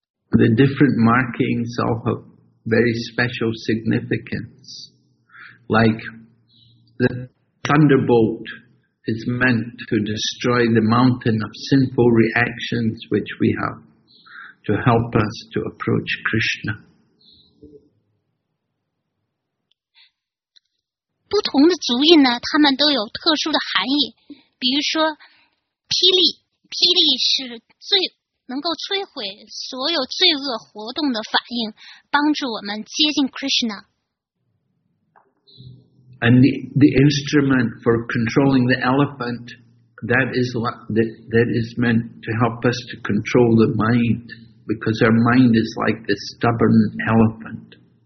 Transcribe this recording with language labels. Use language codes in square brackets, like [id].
[en] The different markings all have very special significance. Like the thunderbolt is meant to destroy the mountain of sinful reactions which we have to help us to approach Krishna. [zh] 不同的足印呢，它们都有特殊的含义。比如说，霹雳是最能够摧毁所有罪恶活动的反应，帮助我们接近Krishna。 [en] And the instrument for controlling the elephant, that is meant to help us to control the mind, because our mind is like this stubborn elephant.